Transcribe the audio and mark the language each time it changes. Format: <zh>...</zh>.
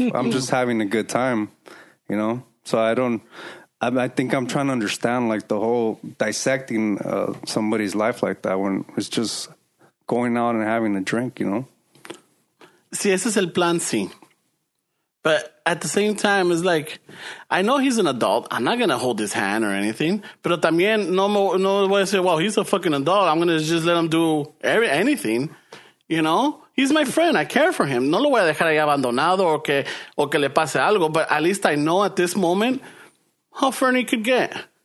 <en>I'm just having a good time, you know? So I think I'm trying to understand like the whole dissecting somebody's life like that when it's just going out and having a drink, you know?</en> <es>Sí, ese es el plan, sí.</es> <en>But at the same time, it's like, I know he's an adult. I'm not going to hold his hand or anything.</en> <es>Pero también, no voy a</es> <en>say, well, he's a fucking adult. I'm going to just let him do anything. You know? He's my friend. I care for him.</en> <es>No lo voy a dejar ahí abandonado o que le pase algo.</es> <en>But at least I know at this moment how Fernie could get.</en>